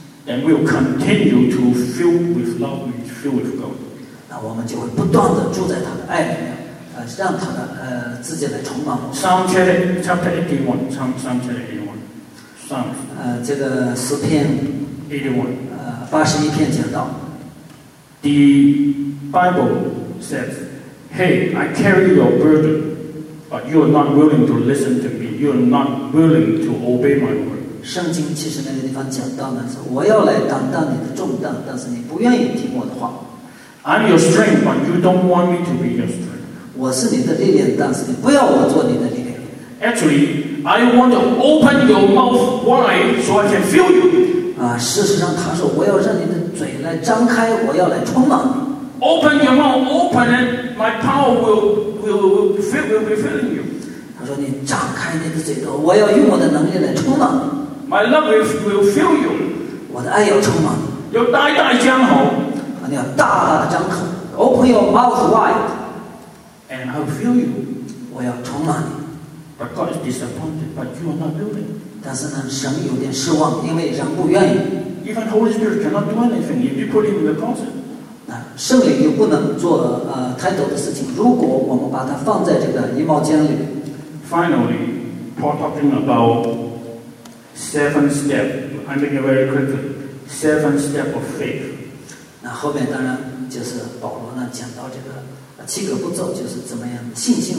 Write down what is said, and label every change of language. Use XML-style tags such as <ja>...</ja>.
<en>and we'll continue to fill with love and fill with God.</en> <zh>那我们就会不断地住在他的爱里面，让他的自己来充满我</zh> <en>们。Psalm chapter 81, Psalm chapter 81, Psalm.</en> <zh>这个诗篇</zh> <en>81,</en> <zh>81篇讲到</zh> <en>The Bible says, Hey, I carry your burden, but you are not willing to listen to me. You are not willing to obey my word.</en> <zh>圣经其实那个地方讲到呢，是我要来担当你的重担，但是你不愿意听我的话。</zh> <en>I'm your strength, but you don't want me to be your strength.</en> <zh>我是你的力量，但是你不要我做你的力量。</zh> <en>Actually, I want to open your mouth wide so I can fill you.</en> <zh>事实上他说，我要让你的嘴来张开，我要来充满你。</zh> <en>Open your mouth, open it. My power will be filling you.</en> <zh>他说，你张开你的嘴巴，我要用我的能力来充满你。</zh> <en>My love will fill you.</en> <zh>我的爱要充满。要大大张口。你要大大的张口。</zh> <en>Open your mouth wide. And I'll fill you.</en> <zh>我要充满你。</zh> <en>But God is disappointed, but you are not willing.</en> <zh>但是呢，神有点失望，因为人不愿意。</zh> <en>Even Holy Spirit cannot do anything if you put him in the closet.</en> <zh>那圣灵又不能做太多的事情，如果我们把它放在这个衣帽间里。</zh> <en>Finally, Paul talking about. Seven step, I'm making it very quickly. Seven step of faith.</en> <zh>那后面当然就是保罗呢讲到这个七个步骤，就是怎么样信心。</zh>